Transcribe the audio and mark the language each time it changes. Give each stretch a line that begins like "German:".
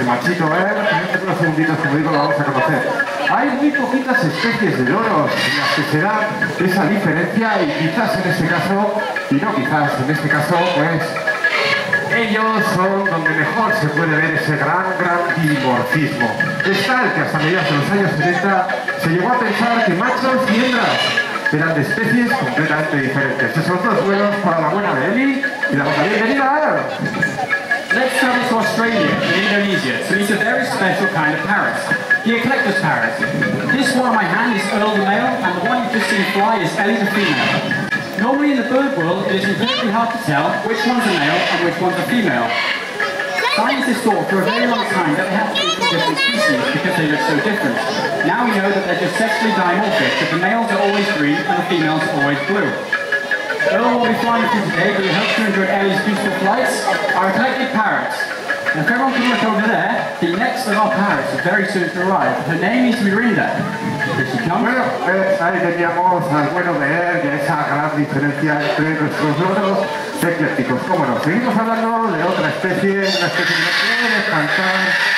Spanish: El machito verde, dentro de unos segunditos, como digo, lo vamos a conocer. Hay muy poquitas especies de loros en las que se da esa diferencia, y quizás en este caso, y no quizás, en este caso, pues ellos son donde mejor se puede ver ese gran, gran dimorfismo. Es tal que hasta mediados de los años 70 se llegó a pensar que machos y hembras eran de especies completamente diferentes. Esos son dos vuelos para la buena de Eli y la buena bienvenida a Aaron.
English: Let's travel to Australia and Indonesia to meet a very special kind of parrot, the Eclectus parrot. This one on my hand is Earl the male and the one you just seen fly is Ellie the female. Normally in the bird world, it is incredibly hard to tell which one's a male and which one's a female. Scientists thought for a very long time that they had to be different species because they look so different. Now we know that they're just sexually dimorphic, that the males are always green and the females are always blue. Earl will be flying with you today, but we hope to enjoy Ellie's beautiful flights, our eclectic parrots. And if everyone can look over there, the next guests of our parish are very soon to arrive. Her name is Mirinda. Does she come?
Spanish: Bueno, ahí teníamos al bueno de él, de esa gran diferencia entre nuestros otros eclécticos. ¿Cómo no? Seguimos hablando de otra especie, una especie que no quiere cantar.